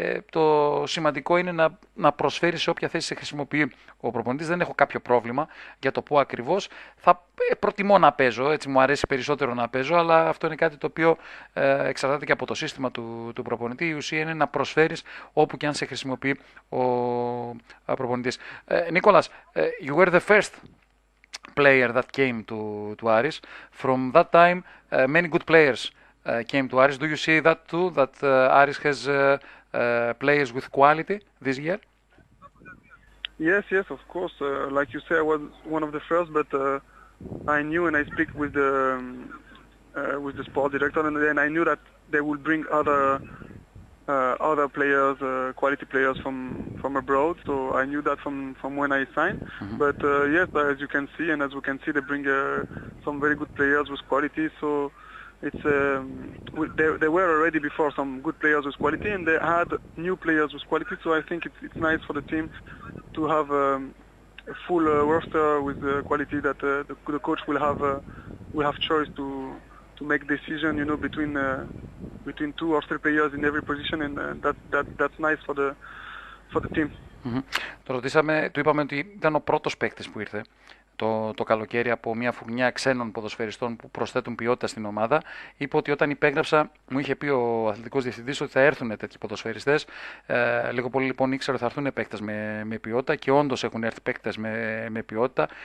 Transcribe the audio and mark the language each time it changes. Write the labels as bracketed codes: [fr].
[el] Το σημαντικό είναι να προσφέρει σε όποια θέση σε χρησιμοποιεί ο προπονητής. Δεν έχω κάποιο πρόβλημα για το πού ακριβώς. Θα προτιμώ να παίζω, έτσι μου αρέσει περισσότερο να παίζω, αλλά αυτό είναι κάτι το οποίο εξαρτάται και από το σύστημα του προπονητή. Η ουσία είναι να προσφέρεις όπου και αν σε χρησιμοποιεί ο προπονητής. [en] Νίκολας, you were the first player that came to Aris. From that time, many good players came to Aris. Do you see that too, that Aris has players with quality this year? Yes, of course. Like you say, I was one of the first, but I knew and I speak with the sports director, and then I knew that they will bring other players, quality players from abroad. So I knew that from when I signed. But yes, as you can see and as we can see, they bring some very good players with quality. So It's there were already before some good players with quality, and they had new players with quality. So I think it's nice for the team to have a full roster with the quality that the coach will have choice to make decision, you know, between between two or three players in every position, and that's nice for the team. [el] Το ρωτήσαμε, του είπαμε ότι ήταν ο πρώτος παίκτης που ήρθε το καλοκαίρι από μια φουρνιά ξένων ποδοσφαιριστών που προσθέτουν ποιότητα στην ομάδα. Είπε ότι όταν υπέγραψα, μου είχε πει ο αθλητικός διευθυντής ότι θα έρθουν τέτοιοι ποδοσφαιριστές. Λίγο πολύ λοιπόν ήξερα ότι θα έρθουν παίκτες με ποιότητα και όντως έχουν έρθει παίκτες με ποιότητα.